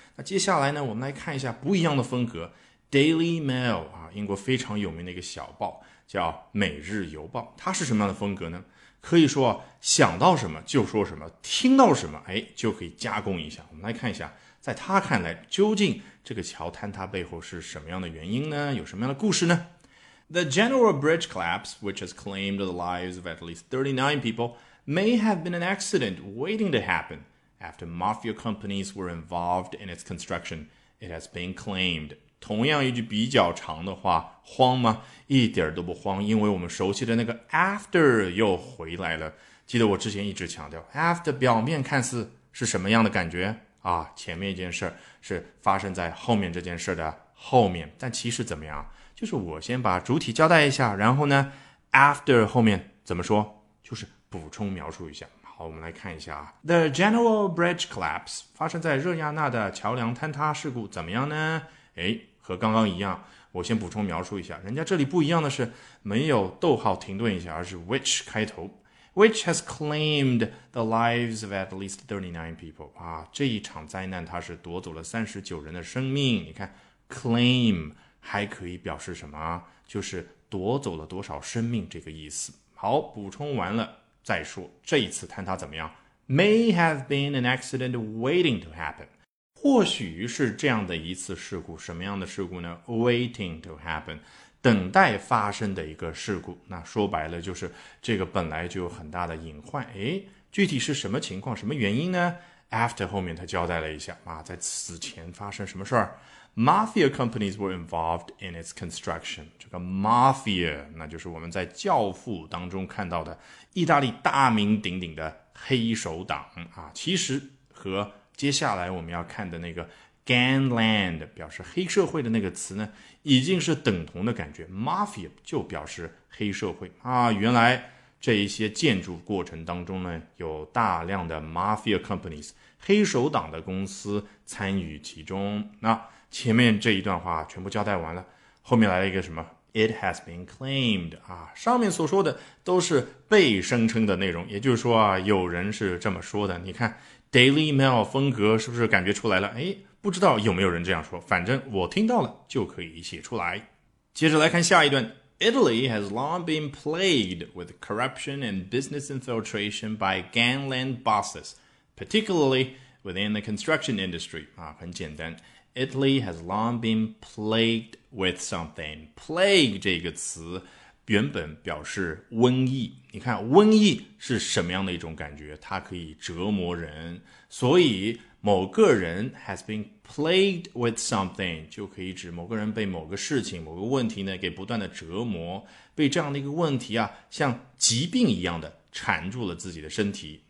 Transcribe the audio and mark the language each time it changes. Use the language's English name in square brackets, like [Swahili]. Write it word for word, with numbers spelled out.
[Chinese] 那接下来呢，我们来看一下不一样的风格。Daily Mail 啊，英国非常有名的一个小报，叫《每日邮报》。它是什么样的风格呢？可以说想到什么就说什么，听到什么哎就可以加工一下。我们来看一下，在他看来，究竟这个桥坍塌背后是什么样的原因呢？有什么样的故事呢？ [English] The general bridge collapse, which has claimed the lives of at least thirty-nine people, may have been an accident waiting to happen after mafia companies were involved in its construction. It has been claimed. [Chinese] 同样一句比较长的话，慌吗？一点都不慌，因为我们熟悉的那个 after 又回来了。记得我之前一直强调 after 表面看似是什么样的感觉啊？前面一件事是发生在后面这件事的后面，但其实怎么样？就是我先把主体交代一下，然后呢 after 后面怎么说，就是补充描述一下。好，我们来看一下啊。 [English] The general bridge collapse [Chinese] 发生在热亚纳的桥梁坍塌事故怎么样呢？诶，和刚刚一样，我先补充描述一下。人家这里不一样的是没有逗号停顿一下，而是 which 开头。 [English] Which has claimed the lives of at least thirty-nine people. [Chinese] 啊，这一场灾难它是夺走了三十九人的生命。你看 claim还可以表示什么？就是夺走了多少生命这个意思。好，补充完了再说这一次坍塌怎么样。 [English] May have been an accident waiting to happen. [Chinese] 或许是这样的一次事故。什么样的事故呢？ [English] Waiting to happen. [Chinese] 等待发生的一个事故。那说白了就是这个本来就有很大的隐患。诶，具体是什么情况，什么原因呢？After 后面他交代了一下啊，在此前发生什么事儿。 [English] Mafia companies were involved in its construction. [Chinese] 这个 mafia 那就是我们在教父当中看到的意大利大名鼎鼎的黑手党啊，其实和接下来我们要看的那个 gangland 表示黑社会的那个词呢，已经是等同的感觉。 Mafia 就表示黑社会啊，原来这一些建筑过程当中呢，有大量的 [English] mafia companies [Chinese] 黑手党的公司参与其中。那前面这一段话全部交代完了，后面来了一个什么 [English] It has been claimed [Chinese] 啊，上面所说的都是被声称的内容，也就是说啊，有人是这么说的。你看 Daily Mail 风格是不是感觉出来了？哎，不知道有没有人这样说，反正我听到了就可以写出来。接着来看下一段。 [English] Italy has long been plagued with corruption and business infiltration by gangland bosses, particularly within the construction industry. [Chinese] 啊，很简单。 [English] Italy has long been plagued with something. [Chinese] Plague 这个词原本表示瘟疫。你看瘟疫是什么样的一种感觉？它可以折磨人。所以某个人 [English] has been plagued with something [Chinese] 就可以指某个人被某个事情、某个问题呢给不断的折磨，被这样的一个问题啊，像疾病一样的缠住了自己的身体。